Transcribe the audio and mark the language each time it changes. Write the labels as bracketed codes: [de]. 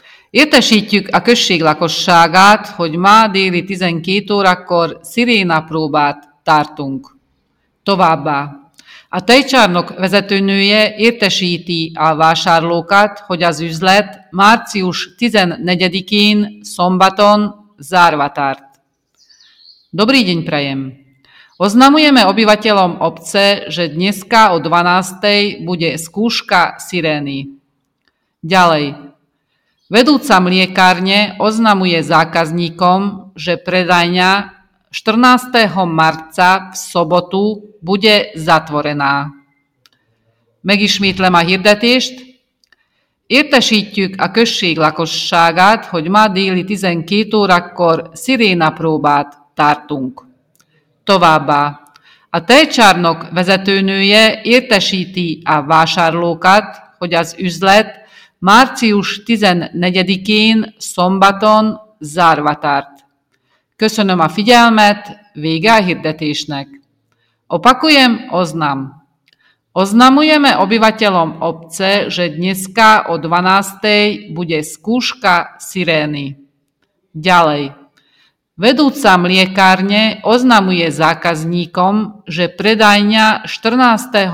[hu] Értesítjük a község lakosságát, hogy ma déli 12 órakor szirénapróbát tartunk. Továbbá, a tejcsárnok vezetőnője értesíti a vásárlókat, hogy az üzlet március 14-én szombaton zárva tart. [sk] Dobrý deň prajem! Oznamujeme obyvateľom obce, že dneska o 12. bude skúška sirény. Ďalej. Vedúca mliekárne oznamuje zákazníkom, že predajňa 14. marca v sobotu bude zatvorená. [hu] Megismétlem a hirdetést. Értesítjük a község lakosságát, hogy ma déli 12 órakor szirénapróbát tartunk. Továbbá. A tejcsárnok vezetőnője értesíti a vásárlókat, hogy az üzlet március 14-én szombaton zárva tart. Köszönöm a figyelmet, vége a hirdetésnek. [sk] Opakujem, oznam. Oznamujeme obyvateľom obce, že dneska o 12. bude skúška sirény. Ďalej. Vedúca mliekárne oznamuje zákazníkom, že predajňa 14.